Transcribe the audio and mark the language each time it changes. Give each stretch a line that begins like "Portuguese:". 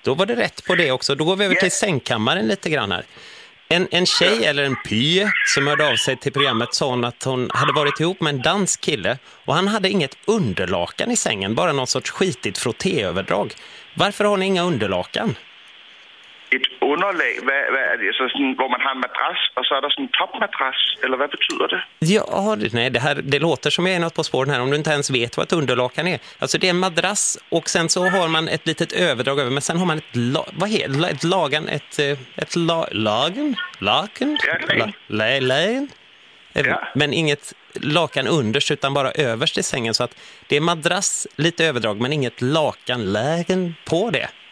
Swedish: Då var det rätt på det också. Då går vi över till sängkammaren lite grann här. En tjej eller en py som hörde av sig till programmet sa hon att hon hade varit ihop med en dansk kille och han hade inget underlakan i sängen, bara någon sorts skitigt frottéöverdrag. Varför har ni inga underlakan?
Danish: et underlag. Hvad er det? Så sådan, hvor man har en madrass, og så er der sådan en topmadrass, eller hvad betyder det?
Swedish: Ja, nej, det låter som jag är något på spåren här, om du inte ens vet vad ett underlag kan är. Alltså det är en madrass, och sen så har man ett litet överdrag över, men sen har man ett lakan. Men inget lakan underst, utan bara överst i sängen. Så att det är madrass, lite överdrag, men inget lakanlägen på det.